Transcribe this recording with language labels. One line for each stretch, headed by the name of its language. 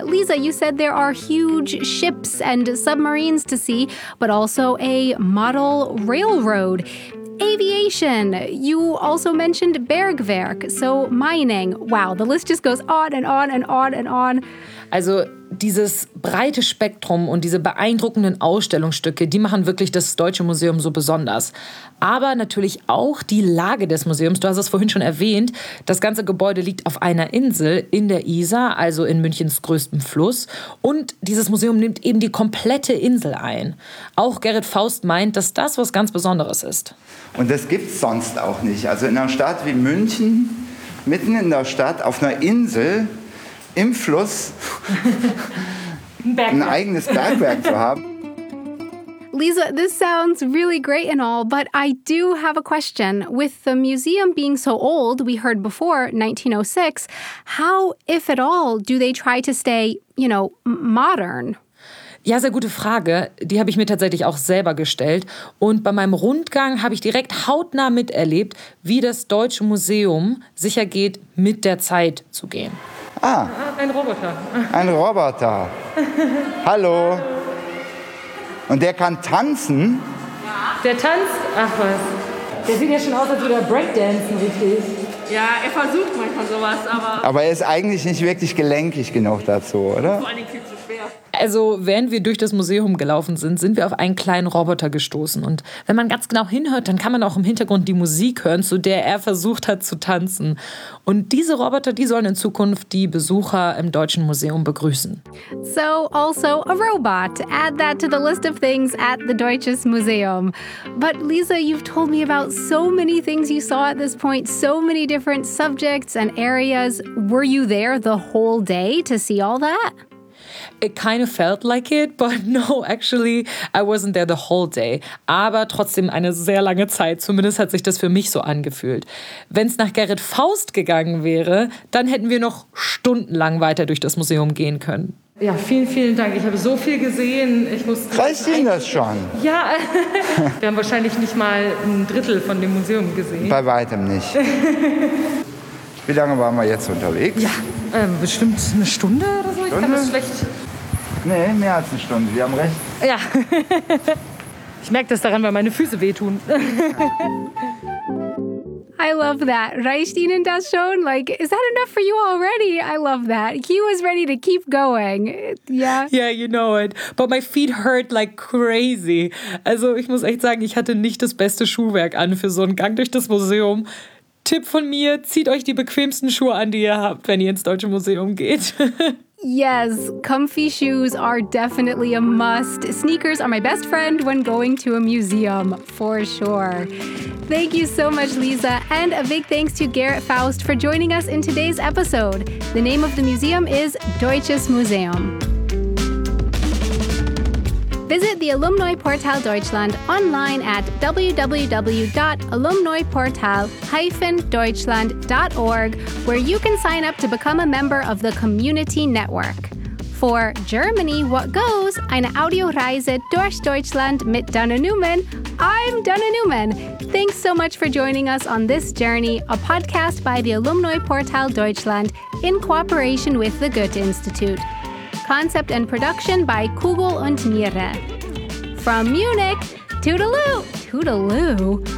English: Lisa, you said there are huge ships and submarines to see, but also a model railroad. Aviation. You also mentioned Bergwerk, so mining. Wow, the list just goes on and on and on and on.
German: Also dieses breite Spektrum und diese beeindruckenden Ausstellungsstücke, die machen wirklich das Deutsche Museum so besonders. Aber natürlich auch die Lage des Museums. Du hast es vorhin schon erwähnt. Das ganze Gebäude liegt auf einer Insel in der Isar, also in Münchens größtem Fluss. Und dieses Museum nimmt eben die komplette Insel ein. Auch Gerrit Faust meint, dass das was ganz Besonderes ist. Und das gibt es sonst auch nicht. Also in einer Stadt wie München, mitten in der Stadt, auf einer Insel, im Fluss ein eigenes Bergwerk zu haben.
English: Lisa, this sounds really great and all, but I do have a question. With the museum being so old, we heard before, 1906, how, if at all, do they try to stay, you know, modern?
German: Ja, sehr gute Frage. Die habe ich mir tatsächlich auch selber gestellt. Und bei meinem Rundgang habe ich direkt hautnah miterlebt, wie das Deutsche Museum sicher geht, mit der Zeit zu gehen. Ah, ein Roboter. Ein Roboter. Hallo. Und der kann tanzen? Ja. Der tanzt? Ach was. Der sieht ja schon aus, als würde er Breakdancen, richtig? Ja, er versucht manchmal sowas, aber... Aber er ist eigentlich nicht wirklich gelenkig genug dazu, oder? Vor allem viel zu schwer. Also, während wir durch das Museum gelaufen sind, sind wir auf einen kleinen Roboter gestoßen. Und wenn man ganz genau hinhört, dann kann man auch im Hintergrund die Musik hören, zu der er versucht hat zu tanzen. Und diese Roboter, die sollen in Zukunft die Besucher im Deutschen Museum begrüßen.
English: So, also a robot. Add that to the list of things at the Deutsches Museum. But Lisa, you've told me about so many things you saw at this point, so many different subjects and areas. Were you there the whole day to see all that? It kind of felt like it, but no, actually, I wasn't there the whole day.
German: Aber trotzdem eine sehr lange Zeit, zumindest hat sich das für mich so angefühlt. Wenn es nach Gerrit Faust gegangen wäre, dann hätten wir noch stundenlang weiter durch das Museum gehen können. Ja, vielen, vielen Dank. Ich habe so viel gesehen. Reicht Ihnen das schon? Ja, wir haben wahrscheinlich nicht mal ein Drittel von dem Museum gesehen. Bei weitem nicht. Wie lange waren wir jetzt unterwegs? Ja, bestimmt eine Stunde oder so. Stunde? Ich kann das schlecht. Nee, mehr als eine Stunde. Sie haben recht. Ja. Ich merke das daran, weil meine Füße wehtun.
English: I love that.
German: Reicht Ihnen das schon?
English: Like, is that enough for you already? I love that. He was ready to keep going. Yeah. Yeah, you know it. But my feet hurt like crazy.
German: Also, ich muss echt sagen, ich hatte nicht das beste Schuhwerk an für so einen Gang durch das Museum. Tipp von mir, zieht euch die bequemsten Schuhe an, die ihr habt, wenn ihr ins Deutsche Museum geht.
English: Yes, comfy shoes are definitely a must. Sneakers are my best friend when going to a museum, for sure. Thank you so much, Lisa, and a big thanks to Gerrit Faust for joining us in today's episode. The name of the museum is Deutsches Museum. Visit the Alumni Portal Deutschland online at www.alumniportal-deutschland.org, where you can sign up to become a member of the community network. For Germany, what goes?
German: Eine Audioreise durch Deutschland mit Dana Neumann.
English: I'm Dana Neumann. Thanks so much for joining us on this journey, a podcast by the Alumni Portal Deutschland in cooperation with the Goethe-Institute. Concept and production by Kugel und Niere. From Munich, toodaloo! Toodaloo?